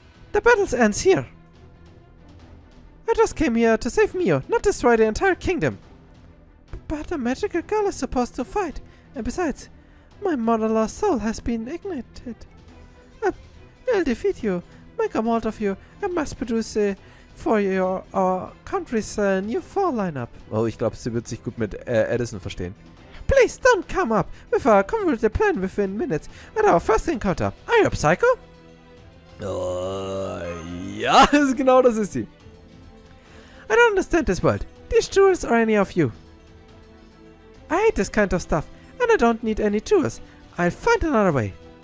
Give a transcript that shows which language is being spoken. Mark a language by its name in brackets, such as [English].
[English] The battle ends here. I just came here to save Mio, not destroy the entire kingdom. But a magical girl is supposed to fight. And besides, my mother-in-law's soul has been ignited. I'll defeat you, make a mold of you, and mass produce for your country's new fall lineup. [German] Oh, ich glaube, sie wird sich gut mit Edison verstehen. [English] Please don't come up with a convoluted plan within minutes at our first encounter. Are you a psycho? [German] Ja, genau das ist sie. [English] I don't understand this world. These jewels are any of you. I hate this kind of stuff, and I don't need any jewels. I'll find another way.